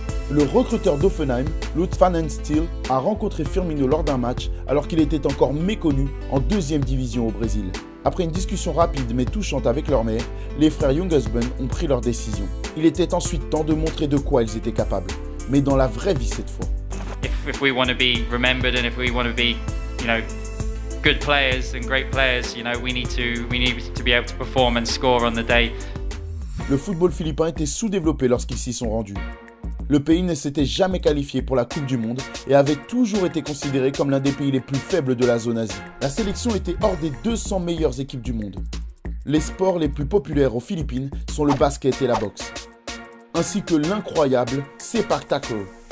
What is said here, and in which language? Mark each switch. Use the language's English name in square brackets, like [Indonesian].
[French] Le recruteur d'Offenheim, Lutz Pfannenstiel, a rencontré Firmino lors d'un match alors qu'il était encore méconnu en deuxième division au Brésil. Après une discussion rapide mais touchante avec leur mère, les frères Young Husband ont pris leur décision. Il était ensuite temps de montrer de quoi ils étaient capables, mais dans la vraie vie cette fois. [English] If we want to be remembered and if we want to be, you know, good players and great players, you know, we need to be able to perform and score on the day. [French] Le football philippin était sous-développé lorsqu'ils s'y sont rendus. Le pays ne s'était jamais qualifié pour la Coupe du Monde et avait toujours été considéré comme l'un des pays les plus faibles de la zone Asie. La sélection était hors des 200 meilleures équipes du monde. Les sports les plus populaires aux Philippines sont le basket et la boxe, ainsi que l'incroyable Sepak Takraw.